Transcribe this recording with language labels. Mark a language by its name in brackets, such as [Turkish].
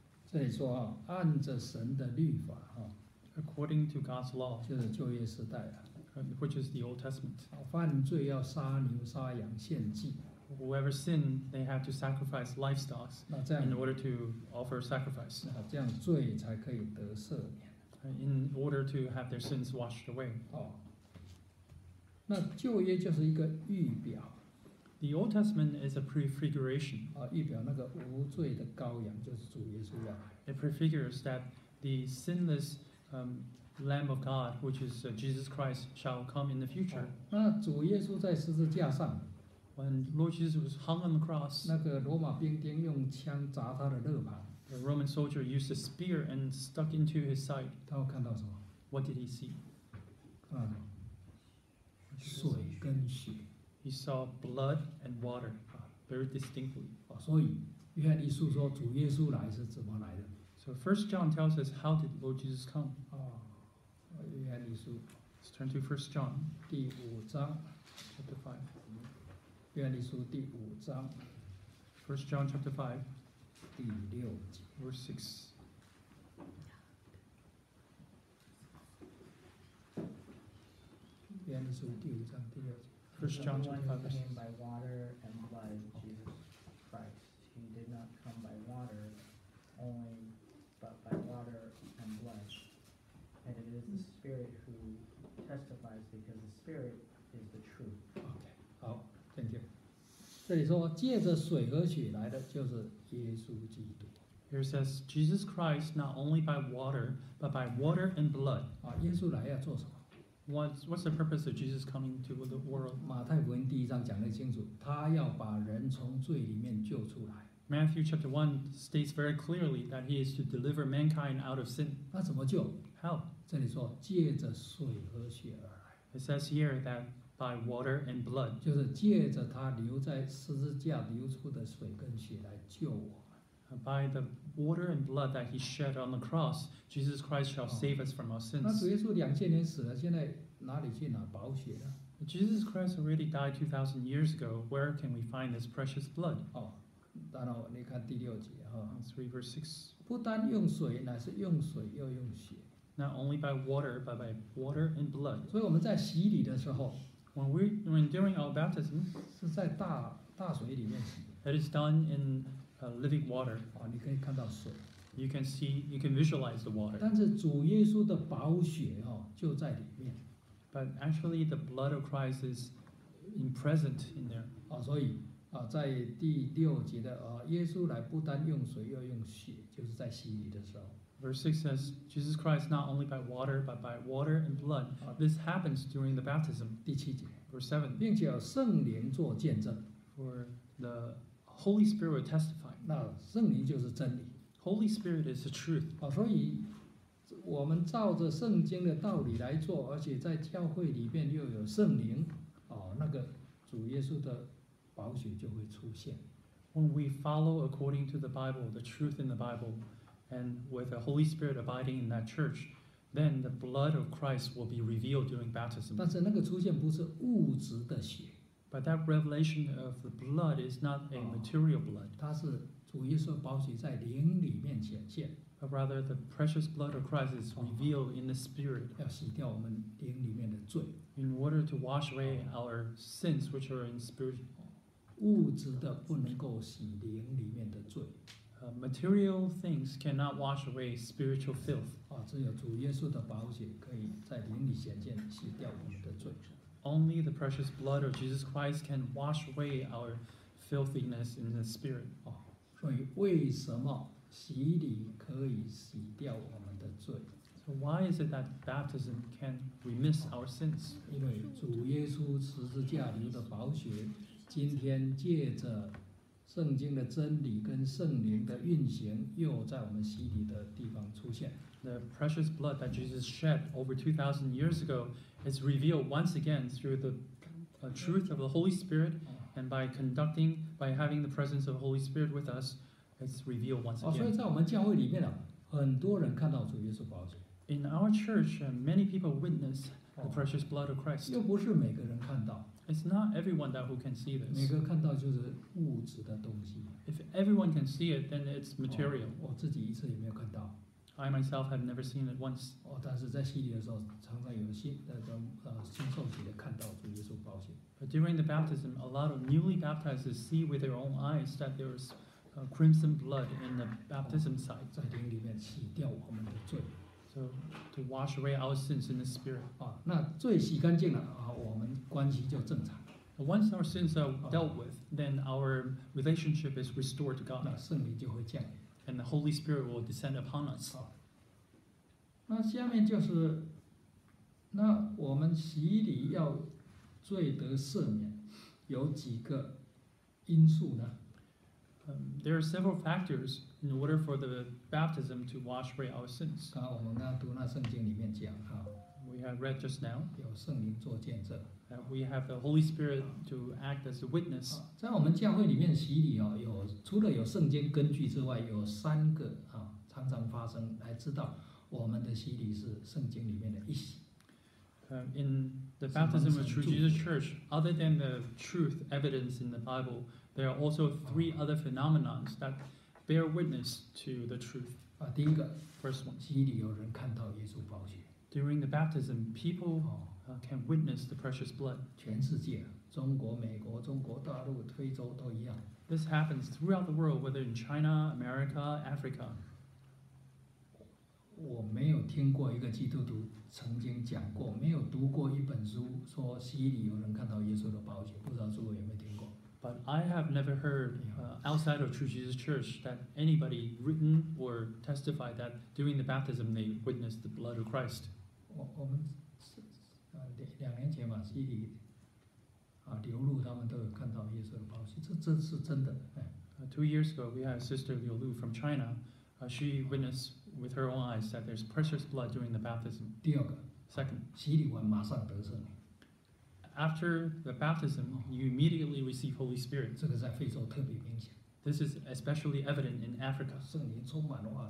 [Chinese] 这里说啊，按着神的律法啊 [English] ，According to God's law， [Chinese] 就是旧约时代啊 [English] ，Which is the Old Testament。 [Chinese] 犯罪要杀牛杀羊献祭。 [English] Whoever sinned, they had to sacrifice livestock in order to offer sacrifice. [Chinese] 那这样罪才可以得赦免。 [English] In order to have their sins washed away. [Chinese] 哦，那旧约就是一个预表。 [English] The Old Testament is a prefiguration. [Chinese] 啊，预表那个无罪的羔羊就是主耶稣啊。 [English] It prefigures that the sinless Lamb of God, which is Jesus Christ, shall come in the future. [Chinese] 那主耶稣在十字架上。 [English] When Lord Jesus was hung on the cross, [Chinese] 那个罗马兵丁用枪砸他的肋旁。 [English] The Roman soldier used a spear and stuck into his side. [Chinese] 他看到什么 [English] ？What did he see? [Chinese] 看到什么？水跟血。 [English] He saw blood and water, very distinctly. [Chinese] 所以约翰一书说主耶稣来是怎么来的 [English] ？So First John tells us how did Lord Jesus come? [Chinese] 约翰一书。 [English] Let's turn to First John. [Chinese] 第五章 [English] ，Chapter 5. [Chinese] 约翰一书第五章 [English] ，First John chapter five， [Chinese] 第六节 [English] ，verse six。 [Chinese] 约翰一书第五章第六节 [English] ，First John chapter five。 He came by water and blood, Jesus Christ. He did not come by water only, but by water and blood. And it is the Spirit who testifies, because the Spirit is the truth. Okay, [Chinese] 好 [English] ，Thank you. [Chinese] 这里说借着水和血来的就是耶稣基督。 [English] Here says Jesus Christ not only by water but by water and blood。 [Chinese] 啊，耶稣来要做什么 [English] ？What's the purpose of Jesus coming to the world？ [Chinese] 马太福音第一章讲得清楚，他要把人从罪里面救出来。 [English] Matthew chapter 1 states very clearly that he is to deliver mankind out of sin。 [Chinese] 那怎么救 [English] ？How？ [Chinese] 这里说借着水和血而来。 [English] It says here that。 By water and blood, [Chinese] 就是借着他流在十字架流出的水跟血来救我们。 [English] By the water and blood that he shed on the cross, Jesus Christ shall save us from our sins. [Chinese] 那主耶稣两千年死了，现在哪里去拿宝血呢 [English] ？Jesus Christ already died 2,000 years ago. Where can we find this precious blood? [Chinese] 哦，当然，你看第六节哈。 [English] 3 verse 6. [Chinese] 不单用水，乃是用水又用血。 [English] Not only by water, but by water and blood. [Chinese] 所以我们在洗礼的时候。 [English] When during our baptism, [Chinese] 是在大水里面洗。 [English] It is done in living water. [Chinese] 哦，你可以看到水。 [English] You can see, you can visualize the water. [Chinese] 但是主耶稣的宝血哦就在里面。 [English] But actually, the blood of Christ is present in there. [Chinese] 哦，所以啊，在第六节的啊，耶稣来不单用水又用血，就是在洗礼的时候。 [English] Verse 6 says, Jesus Christ not only by water, but by water and blood. This happens during the baptism. [Chinese] 第七节 [English] Verse 7. [Chinese] 并且有圣灵做见证 [English] For the Holy Spirit will testify. [Chinese] 那圣灵就是真理 [English] Holy Spirit is the truth. [Chinese] 所以我们照着圣经的道理来做，而且在教会里面又有圣灵，那个主耶稣的宝血就会出现 [English] When we follow according to the Bible, the truth in the Bible,And with the Holy Spirit abiding in that church, then the blood of Christ will be revealed during baptism. [Chinese] 但是那个出现不是物质的血。 [English] But that revelation of the blood is not a material blood. [Chinese] 它是主耶稣宝血在灵里面显现。 [English] But rather, the precious blood of Christ is revealed in the Spirit. [Chinese] 要洗掉我们灵里面的罪。 [English] In order to wash away our sins which are in spirit. [Chinese] 物质的不能够洗灵里面的罪。 [English] Material things cannot wash away spiritual filth. [Chinese] 啊，只有主耶稣的宝血可以在灵里显现，洗掉我们的罪。 [English] Only the precious blood of Jesus Christ can wash away our filthiness in the spirit. [Chinese] 啊，所以为什么洗礼可以洗掉我们的罪 [English] So why is it that baptism can remiss our sins? [Chinese] 因为主耶稣十字架流的宝血，今天借着圣经的真理跟圣灵的运行，又在我们洗礼的地方出现。 [English] The precious blood that Jesus shed over 2,000 years ago is revealed once again through the truth of the Holy Spirit, and by having the presence of the Holy Spirit with us, it's revealed once again. [Chinese] 所以在我们教会里面啊，很多人看到主耶稣宝血。 [English] In our church, many people witness the precious blood of Christ. [Chinese] 又不是每个人看到。 [English] It's not everyone that who can see this. [Chinese] 每个看到就是物质的东西。 [English] If everyone can see it, then it's material. [Chinese] 我自己一次也没有看到。 [English] I myself have never seen it once. [Chinese] 但是在洗礼的时候，常常有新那种新受洗的看到主耶稣宝血。 [English] But during the baptism, a lot of newly baptized see with their own eyes that there's crimson blood in the baptism site. [Chinese] 在灵里面洗掉我们的罪。 [English] To wash away our sins in the spirit. [Chinese] 那罪洗干净了我们关系就正常。 [English] Once our sins are dealt with, then our relationship is restored to God. [Chinese] 那圣灵就会降临。 [English] And the Holy Spirit will descend upon us. [Chinese] 那下面就是，那我们洗礼要罪得赦免，有几个因素呢？ [English] There are several factors in order for the baptism to wash away our sins. [Chinese] 刚我们刚读那圣经里面讲哈 [English] ，We have read just now. [Chinese] 有圣灵做见证。 [English] We have the Holy Spirit to act as a witness. [Chinese] 在我们教会里面洗礼啊，有除了有圣经根据之外，有三个啊常常发生来知道我们的洗礼是圣经里面的一洗。 [English] In the baptism of True Jesus Church, other than the truth evidence in the Bible, there are also three other phenomena that bear witness to the truth. [Chinese] 第一个 [English] ，first one， [Chinese] 洗礼有人看到耶稣宝血。 [English] During the baptism, people can witness the precious blood. [Chinese] 全世界，中国、美国、中国大陆、非洲都一样。 [English] This happens throughout the world, whether in China, America, Africa. [Chinese] 我没有听过一个基督徒曾经讲过，没有读过一本书说洗礼有人看到耶稣的宝血，不知道诸位有没有听过。 [English] But I have never heard outside of True Jesus Church that anybody written or testified that during the baptism they witnessed the blood of Christ. [Chinese] 我们两年前嘛，洗礼刘露他们都有看到耶稣的宝血，这是真的。 [English] 2 years ago, we had a sister Liu Lu from China. She witnessed with her own eyes that there's precious blood during the baptism. [Chinese] 第二个 [English] ，second， [Chinese] 洗礼完马上得胜。 [English] After the baptism, you immediately receive Holy Spirit. This is especially evident in Africa.